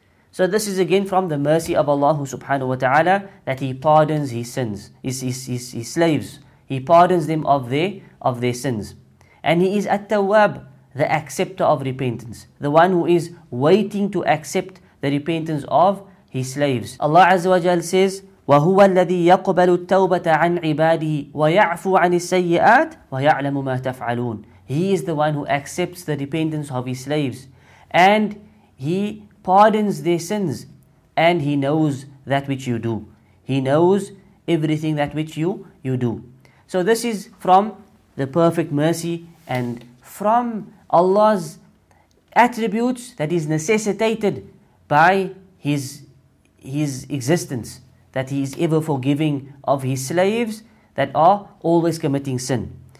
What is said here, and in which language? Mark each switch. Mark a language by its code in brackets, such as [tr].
[en] So this is again from the mercy of Allah subhanahu wa ta'ala, that He pardons His sins, His slaves. He pardons them of their sins. And He is At-Tawwaab, the acceptor of repentance, the one who is waiting to accept the repentance of his slaves. Allah Azza wa Jal says, [ar] وَهُوَ الَّذِي يَقْبَلُ التَّوْبَةَ عَنْ عِبَادِهِ وَيَعْفُ عَنِ السَّيِّئَاتِ وَيَعْلَمُ مَا تَفْعَلُونَ. [en] He is the one who accepts the repentance of his slaves, and He pardons their sins, and He knows that which you do. He knows everything that which you do. So this is from the perfect mercy and from Allah's attributes that is necessitated by His existence, that He is ever forgiving of His slaves that are always committing sin.